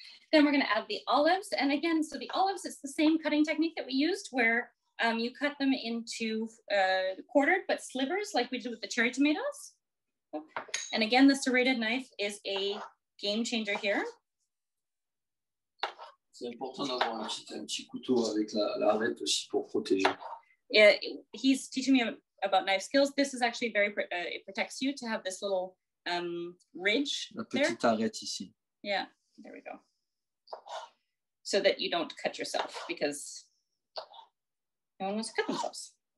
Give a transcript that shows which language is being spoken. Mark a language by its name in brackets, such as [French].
[English] Then we're going to add the olives. And again, so the olives, it's the same cutting technique that we used where you cut them into quartered, but slivers like we did with the cherry tomatoes. And again, the serrated knife is a game changer here. [French] C'est important d'avoir un petit couteau avec la arête aussi pour protéger. [English] Yeah, he's teaching me about knife skills. This is actually very it protects you to have this little ridge. [French] La petite [English] there. [French] Arête ici. [English] Yeah, there we go. So that you don't cut yourself, because no one wants to cut themselves.